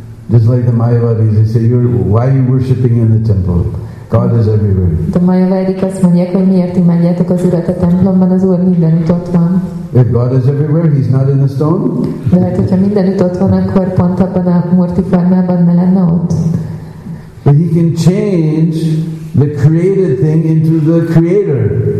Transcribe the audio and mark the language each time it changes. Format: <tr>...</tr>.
<en>Just like the Mayavadis, they say, why are you worshipping in the temple? God is everywhere.</en> <hu>De Mayavadik azt mondják, hogy miért imádjátok az Urat a templomban, az Úr mindenütt ott van.</hu> <en>If God is everywhere, he's not in the stone.</en> <hu>De hát, hogyha mindenütt ott van, akkor pont abban a Murti formában ne lenne ott.</hu> <en>But he can change the created thing into the creator.</en>